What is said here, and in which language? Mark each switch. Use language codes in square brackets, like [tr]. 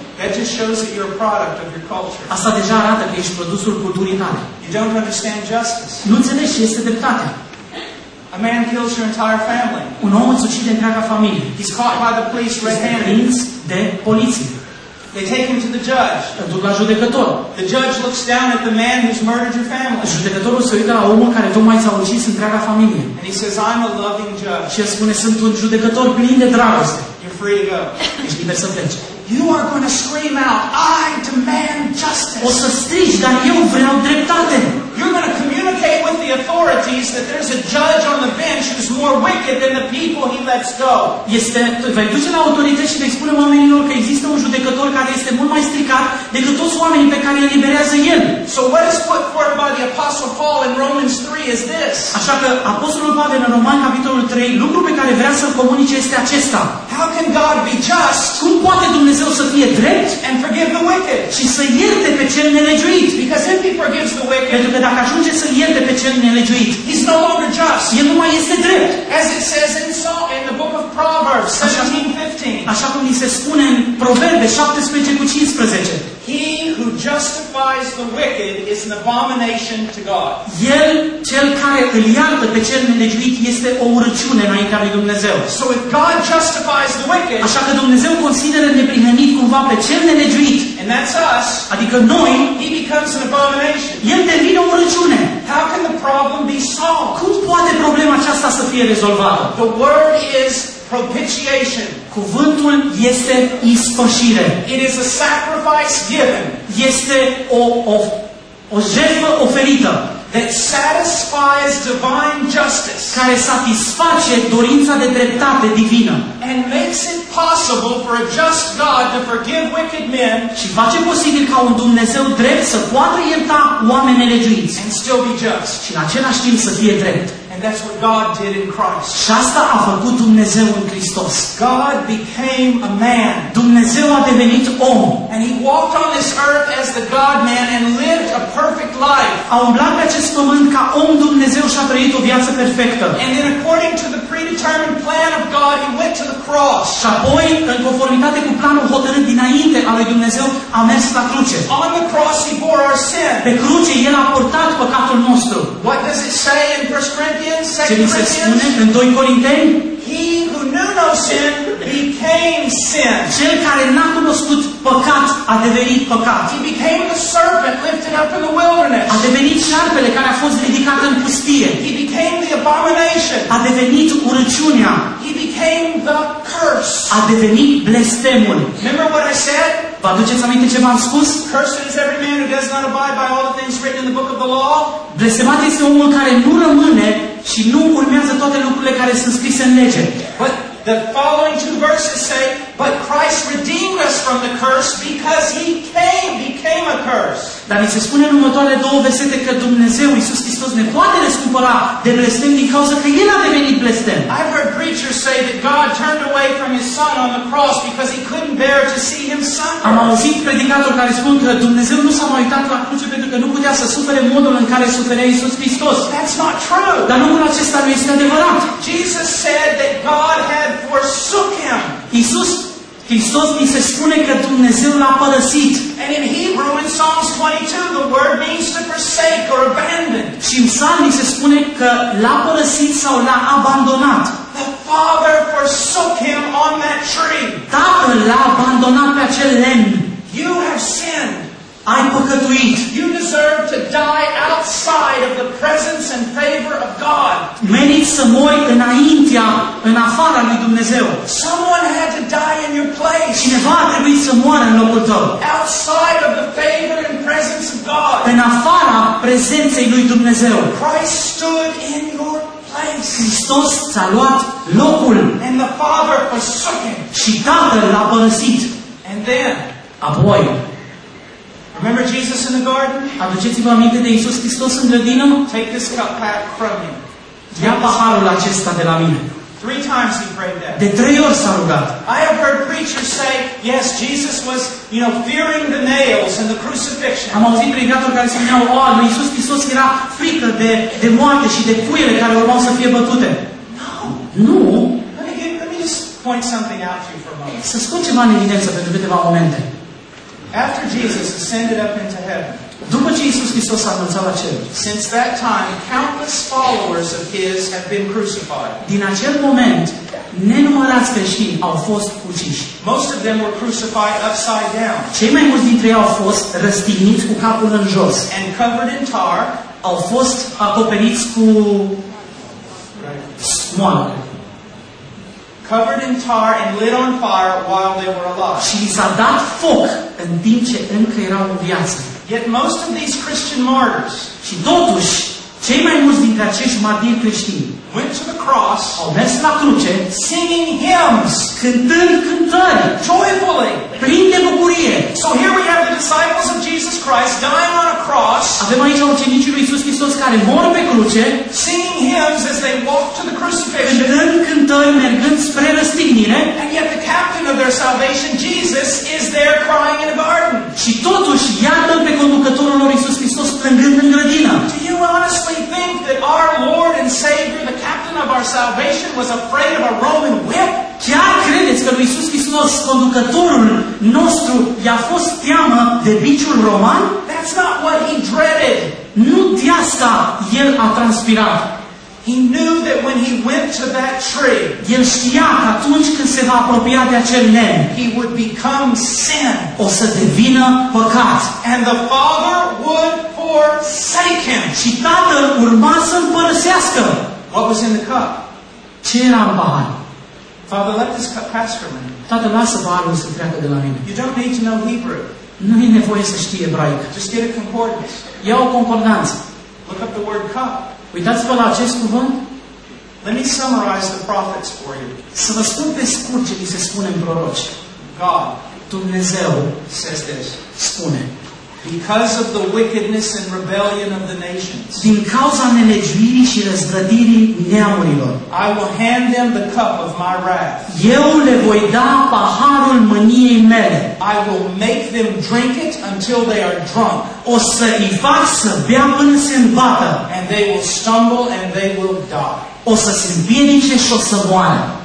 [en] That just shows that you're a product of your culture. [ro] Asta deja arată că ești produsul culturii tale. [en] You don't understand justice. [ro] Nu înțelegi ce este dreptatea. [en] A man kills your entire family. [ro] Un om îți ucide întreaga familie. [en] He's caught by the police red-handed. [ro] Prins de poliție. [en] They take him to the judge. [ro] Îl duc la judecător. [en] The judge looks down at the man who's murdered your family. [ro] Judecătorul se uită la omul care tocmai ți-a ucis întreaga familie. [en] And he says, I'm a loving judge. [ro] Și el spune, sunt un judecător plin de dragoste. [en] You're free to go. [ro] Ești liber să pleci. [en] You are going to scream out, I demand justice. [ro] O să strigi, dar eu vreau dreptate. [en] You're going to communicate with the authorities that there's a judge on the bench who's more wicked than the people he lets go. [ro] Este, vei duce la autorități și vei spune oamenilor că există un judecător care este mult mai stricat decât toți oamenii pe care îi eliberează el. [en] So what is put forth by the Apostle Paul in Romans 3 is this. [ro] Așa că Apostolul Pavel în Romani capitolul 3, lucrul pe care vrea să-l comunice este acesta. [en] How can God be just? [ro] Cum poate Dumnezeu să fie drept? [en] And forgive the wicked. [ro] Și să ierte pe cel nelegiuit. [en] Because if he forgives the wicked, [ro] pentru că dacă ajunge să ierte pe cel nelegiuit, [en] he's no longer just. [ro] El nu mai este drept. [en] As it says in Psalm, in the book of Proverbs 17:15. [ro] Așa cum ni se spune în Proverbe 17:15. [en] He who justifies the wicked is an abomination to God. [ro] El, cel care îl iartă pe cel nelegiuit, este o urăciune înaintea lui Dumnezeu. [en] So if God justifies the wicked, [ro] așa că Dumnezeu consideră neprihănit cumva pe cel nelegiuit, [en] and that's us, [ro] adică noi, [en] he becomes an abomination. [ro] El devine o urăciune. [en] How can the problem be solved? [ro] Cum poate problema aceasta să fie rezolvată? [en] The word is propitiation. [ro] Cuvântul este ispășire. [en] It is a sacrifice given. [ro] Este o jertfă oferită. [en] That satisfies divine justice. [ro] Care satisface dorința de dreptate divină. [en] And makes it possible for a just God to forgive wicked men. [ro] Și face posibil ca un Dumnezeu drept să poată ierta oameni nelegiuiți. [en] And still be just. [ro] Și în același timp să fie drept. [en] And that's what God did in Christ. [ro] Și asta a făcut Dumnezeu în Hristos. [en] God became a man. [ro] Dumnezeu a devenit om. [en] And he walked on this earth as the God-man and lived a perfect life. [ro] A umblat pe acest pământ ca om Dumnezeu și a trăit o viață perfectă. [en] And then according to the predetermined plan of God, he went to the cross. [ro] Și apoi, în conformitate cu planul hotărât dinainte al lui Dumnezeu, a mers la cruce. [en] On the cross he bore our sin. [ro] Pe cruce el a purtat păcatul nostru. [en] What does it say in 1 Corinthians? [ro] Ce ni se spune în 2 Corinteni? [en] He who knew no sin became sin. [ro] Cel care n-a cunoscut păcat a devenit păcat. [en] He became the serpent lifted up in the wilderness. [ro] A devenit șarpele care a fost ridicat în pustie. [en] He became the abomination. [ro] A devenit urăciunea. [en] He became the curse. [ro] A devenit blestemul. [en] Remember what I said? [ro] Vă aduceți aminte ce v-am spus? [en] Cursed is every man who does not abide by all the things written in the book of the law. [ro] Blestemat este omul care nu rămâne și nu urmează toate lucrurile care sunt scrise în lege. [en] But the following two verses say, but Christ redeemed us from the curse because he came, became a curse. [ro] Dar ni se spune în următoarele două versete că Dumnezeu, Iisus Hristos, ne poate răscumpăra de blestem din cauza că El a devenit blestem. [en] I've heard preachers say that God turned away from his son on the cross because he couldn't bear to see him suffer. [ro] Am auzit predicatori care spun că Dumnezeu nu s-a mai uitat la cruce pentru că nu putea să supere modul în care suferea Iisus Hristos. [en] That's not true. [ro] Dar lucrul acesta nu este adevărat. [en] Jesus said that God had forsook him. [ro] Iisus Hristos ni se spune că Dumnezeu l-a părăsit. [en] And in Hebrew in Psalms 22 the word means to forsake or abandon. [ro] Și în Psalm ni se spune că l-a părăsit sau l-a abandonat. [en] The Father forsook him on that tree. [ro] Tatăl l-a abandonat pe acel lemn. [en] You have sinned. [ro] Ai păcătuit. [en] You deserve to die outside of the presence and favor of God. [ro] Meriți să mori înaintea, în afara lui Dumnezeu. [en] Someone had to die in your place. [ro] Cineva a trebuit să moară în locul tău. [en] Outside of the favor and presence of God. [ro] În afara prezenței lui Dumnezeu. [en] Christ stood in your place. [ro] Hristos ți-a luat locul. [en] And the Father forsook him. [ro] Și Tatăl l-a părăsit. [en] And then. [ro] Apoi. [en] Remember Jesus in the garden? [ro] Aduceți-vă aminte de Iisus Hristos în grădină? [en] Take this cup back from him. [ro] Ia paharul acesta de la mine. [en] Three times he prayed that. [ro] De trei ori s-a rugat. [en] I have heard preachers say, yes, Jesus was, you know, fearing the nails and the crucifixion. [ro] Am auzit predicatori care spuneau, oh, lui Iisus Hristos era frică de moarte și de cuiele care urmau să fie bătute. [en] No. [ro] Nu. [en] Let me just point something out to you for a moment. [ro] Să spun ceva în evidență pentru câteva momente. [en] After Jesus ascended up into heaven, [ro] după ce Iisus Hristos a înălțat la cer, [en] since that time, countless followers of his have been crucified. [ro] Din acel moment, nenumărați creștini au fost uciși. [en] Most of them were crucified upside down. [ro] Cei mai mulți dintre ei au fost răstigniți cu capul în jos. [en] And covered in tar. [ro] Au fost acoperiți cu smoală. [en] Covered in tar and lit on fire while they were alive. [ro] Și li s-a dat foc în timp ce încă erau în viață. [en] Yet most of these Christian martyrs, [ro] și totuși, cei mai mulți dintre acești martiri creștini, [en] went to the cross, [ro] au mers la cruce, [en] singing hymns, [ro] cântând cântări, [en] joyfully, [ro] plin de bucurie. [en] So here we have the disciples of Jesus Christ dying on a cross, [ro] avem aici ucenicii lui Iisus Hristos care mor pe cruce, [en] singing hymns as they walk to the crucifixion, [ro] cântând cântări mergând spre răstignire, [en] and yet the captain of their salvation, Jesus, is there crying in a garden. [ro] Și totuși, iată pe conducătorul lor Iisus Hristos plângând în grădină. [en] Do you honestly think that our Lord and Savior, the captain of our salvation, was afraid of a Roman whip? [ro] Chiar credeți că lui Iisus Hristos, conducătorul nostru, i-a fost teamă de biciul roman? [en] That's not what he dreaded. [ro] Nu de asta el a transpirat. [en] He knew that when he went to that tree, [ro] el știa că atunci când se va apropia de acel nen, [en] he would become sin. [ro] O să devină păcat. [en] And the Father would forsake him. [ro] Și Tatăl urma să-l părăsească. [en] What was in the cup? [ro] Ce era în pahar? [en] Father, let this cup pass from me. [ro] Tată, lasă paharul să treacă de la mine. [en] You don't need to know Hebrew. [ro] Nu e nevoie să știi ebraic. [en] Just get a concordance. [ro] Ia o concordanță. [en] Look up the word cup. [ro] Uitați-vă la acest cuvânt. [en] Let me summarize the prophets for you. [ro] Să vă spun pe scurt ce li se spune în proroci. [en] God, [ro] Dumnezeu, [en] says this, [ro] spune, [en] because of the wickedness and rebellion of the nations, [ro] din cauza nelegiuirii și răzvrătirii neamurilor, [en] I will hand them the cup of my wrath. [ro] Eu le voi da paharul mâniei mele. [en] I will make them drink it until they are drunk. [ro] O să îi fac să bea până se îmbată. [en] And they will stumble and they will die. [ro] O să se împiedice și o să moară.